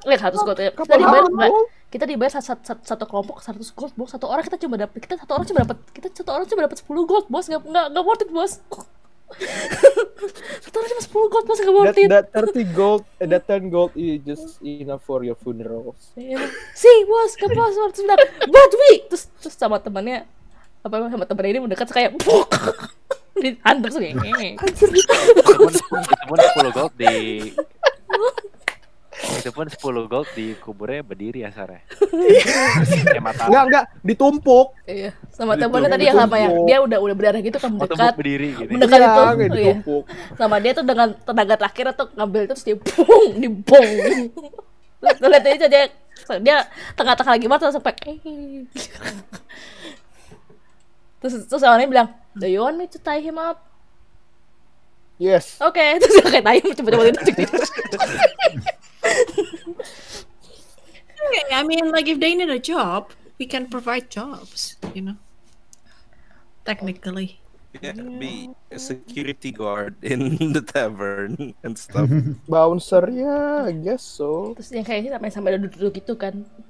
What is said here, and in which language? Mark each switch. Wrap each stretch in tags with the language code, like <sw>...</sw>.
<id>Lihat, 100 gold. Kita dibayar satu kelompok 100 gold, bos. Satu orang cuma dapat 10 gold, bos. Gak worth it, bos. Itu cuma 10 gold, masih gak worth it.</id> <en>That 10 gold is just enough for your funeral.</en> <id>See, bos, gak puas, harus bilang,</id> <en>but we!</en> <id>Terus sama temannya, apa yang sama temannya ini mendekat, kayak, buk! Di hunter, kayak, ngeng. Itu pun 10 gold di... Itu pun 10 gold di kuburnya berdiri asarnya. Enggak, ditumpuk. Iya, sama temennya tadi yang sama yang dia udah berdarah gitu kan mendekat. Oh, berdiri gitu. Mendekat iya, itu. Ditumpuk. Iya. Sama dia tuh dengan tenaga terakhir tuh ngambil terus dia pung, dibong. Lu lihat aja dia tengah-tengah lagi mati sampai terus orangnya bilang,</id> <en>"Do you want me to tie him up?" Yes.</en> <id>Oke, okay. Terus kayak tadi cepet-cepet gitu.</id> <en>Okay, I mean, like, if they need a job, we can provide jobs, you know, technically. Yeah, be a security guard in the tavern and stuff. Bouncer, yeah, I guess so.</en> <id>Terus yang kayaknya sampai duduk-duduk gitu kan.</id>